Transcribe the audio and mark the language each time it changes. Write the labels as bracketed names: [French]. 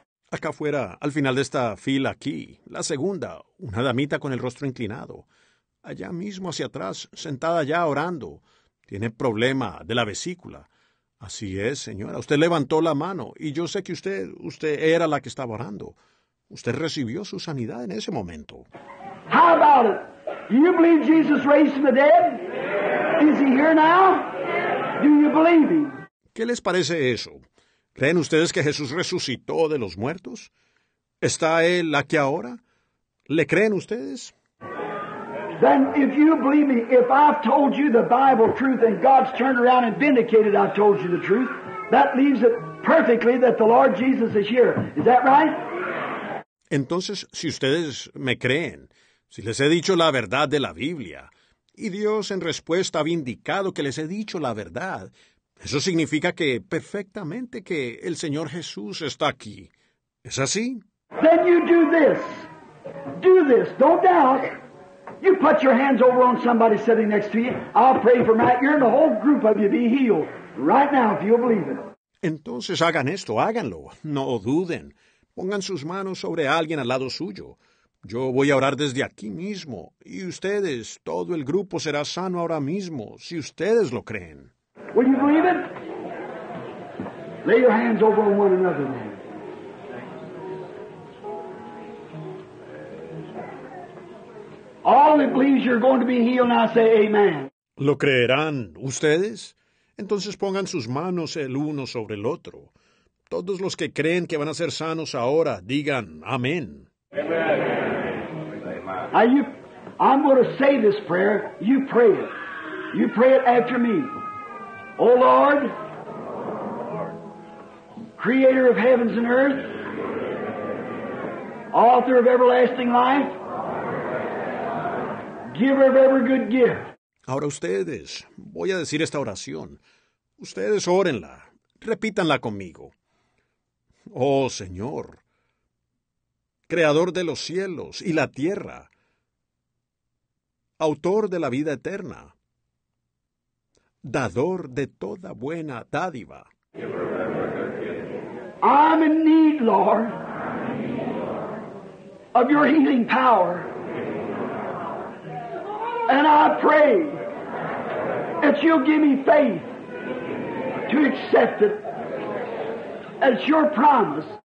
[Spanish] Acá afuera, al final de esta fila aquí, la segunda, una damita con el rostro inclinado, allá mismo hacia atrás, sentada ya orando, tiene problema de la vesícula. Así es, señora. Usted levantó la mano y yo sé que usted era la que estaba orando. Usted recibió su sanidad en ese momento. [English] How about it? Do you believe Jesus raised from the dead? Is he here now? Do you believe him? [Spanish] ¿Qué les parece eso? ¿Creen ustedes que Jesús resucitó de los muertos? ¿Está él aquí ahora? ¿Le creen ustedes? [English] Then if you believe me, if I've told you the Bible truth and God's turned around and vindicated I've told you the truth, that leaves it perfectly that the Lord Jesus is here. Is that right? [Spanish] Entonces, si ustedes me creen, si les he dicho la verdad de la Biblia, y Dios en respuesta ha vindicado que les he dicho la verdad, eso significa que perfectamente que el Señor Jesús está aquí. ¿Es así? [English] Then you do this. Do this. Don't doubt. You put your hands over on somebody sitting next to you. I'll pray for Matt. You're in the whole group of you be healed right now if you believe it. [Spanish] Entonces hagan esto, háganlo. No duden. Pongan sus manos sobre alguien al lado suyo. Yo voy a orar desde aquí mismo. Y ustedes, todo el grupo será sano ahora mismo, si ustedes lo creen. [English] Will you believe it? Lay your hands over on one another now. All that believes you're going to be healed now say amen. [Spanish] ¿Lo creerán ustedes? Entonces pongan sus manos el uno sobre el otro. Todos los que creen que van a ser sanos ahora, digan amén. [English] Amen. I'm going to say this prayer. You pray it. You pray it after me. Oh Lord, creator of heavens and earth, author of everlasting life, giver of every good gift. [Spanish] Ahora ustedes, voy a decir esta oración. Ustedes órenla, repítanla conmigo. Oh Señor, creador de los cielos y la tierra, autor de la vida eterna, dador de toda buena dádiva. [English] I'm in need, Lord, of your healing power. And I pray that you'll give me faith to accept it as your promise.